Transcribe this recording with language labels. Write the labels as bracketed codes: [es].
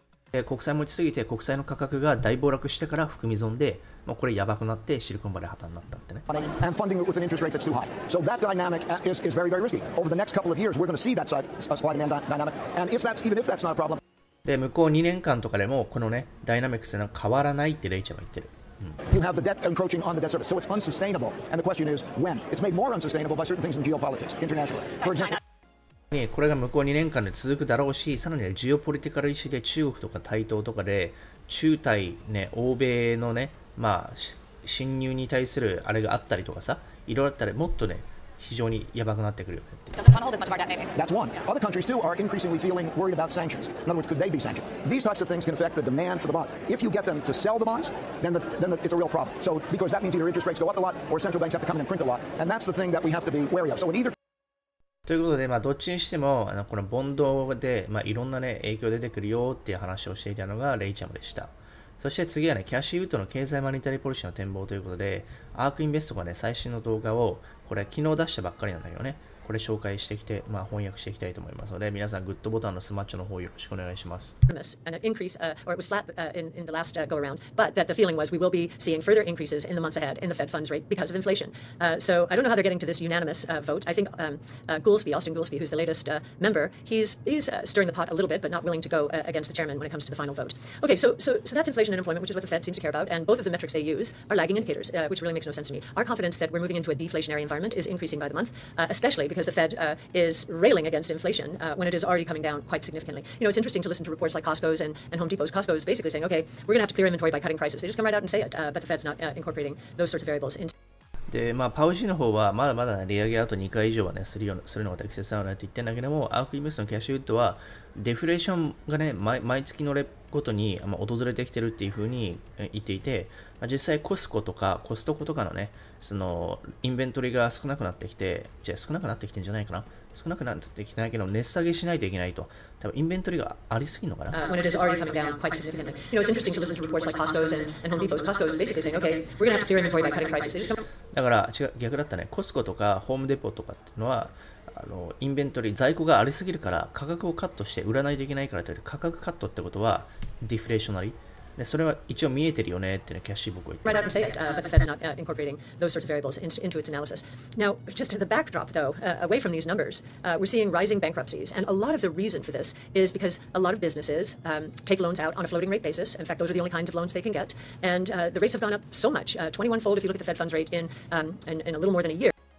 [ja] で、国債持ちすぎて、国債の価格が大暴落してから含み損で、まあ、これやばくなってシリコンバレー破綻になったってね。 [en] And funding it with an interest rate that's too high. So that dynamic is very, very risky. Over the next couple of years, we're going to see that supply demand dynamic. And if that's, even if that's not a problem... [ja] で、向こう2年間とかでもこのね、ダイナミックスが変わらないってレイちゃんも言ってる。 [en] You have the debt encroaching on the debt service, so it's unsustainable. And the question is when? It's made more unsustainable by certain things in geopolitics, internationally. For example, [ja] ね、これが向こう2年間で続くだろうし、さらにジオポリティカル意思で中国とか台頭とかで、中台ね、欧米のね、まあ、侵入に対するあれがあったりとかさ、いろいろあったり、もっとね、非常にやばくなってくるよねっていう。 [en] That's one. Other countries too are increasingly feeling worried about sanctions. In other words, could they be sanctioned? These types of things can affect the demand for the bonds. If you get them to sell the bonds, then it's a real problem. So because that means either interest rates go up a lot or central banks have to come in and print a lot. And that's the thing that we have to be wary of. So in either [ja] ということで、まあ、どっちにしても、このボンドで、まあ、いろんなね、影響出てくるよっていう話をしていたのがレイチャムでした。そして次はね、キャッシーウッドの経済マニタリーポリシーの展望ということで、アークインベストがね、最新の動画を、これ昨日出したばっかりなんだけどね、これ紹介してきて、まあ翻訳していきたいと思いますので、皆さんグッドボタンのスマッチョの方よろしくお願いします。 [en] An increase, or it was flat in the last go around, but that the feeling was we will be seeing further increases in the months ahead in the Fed funds rate because of inflation. So I don't know how they're getting to this unanimous vote. I think Goolsbee, Austin Goolsbee, who's the latest member, he's stirring the pot a little bit, but not willing to go against the chairman when it comes to the final vote. Okay, so that's inflation and employment, which is what the Fed seems to care about, and both of the metrics they use are lagging indicators, which really makes no sense to me. Our confidence that we're moving into a deflationary environment is increasing by the month, especially because the Fed is railing against inflation when it is already coming down quite significantly. You know, it's interesting to listen to reports like Costco's and Home Depot's. Costco's basically saying, okay, we're going to have to clear inventory by cutting prices. They just come right out and say it, but the Fed's not incorporating those sorts of variables into. [ja] で、まあ、パウジーの方はまだまだ、ね、利上げあと2回以上は、ね、するのが適切だよねって言ってるんだけども、アークインベストのキャッシュウッドはデフレーションが、ね、毎月のレごとに、まあ、訪れてきてるっていうふうに言っていて、まあ、実際コスコとかコストコとかのね、そのインベントリーが少なくなってきて、じゃあ少なくなってきてんじゃないかな、少なくなってきてないけど、値下げしないといけないと。多分インベントリーがありすぎるのかな。 [en] When it is already coming down quite significantly. You know, it's interesting to listen to reports like Costco's and Home Depot's. Costco's basically saying, okay, we're going to have to clear inventory by cutting prices. [ja] だから違う、逆だったね。コスコとかホームデポとかっていうのは、インベントリー、在庫がありすぎるから、価格をカットして売らないといけないからという、価格カットってことは、ディフレーショナリー。で、それは一応見えてるよねっていうのキャッシー僕は言って [en] ます。Right out and say it, but the Fed's not incorporating those sorts of variables into its analysis. Now, just to the backdrop though, away from these numbers, we're seeing rising bankruptcies. And a lot of the reason for this is because a lot of businesses take loans out on a floating rate basis. In fact, those are the only kinds of loans they can get. And the rates have gone up so much, 21-fold if you look at the Fed funds rate in a little more than a year.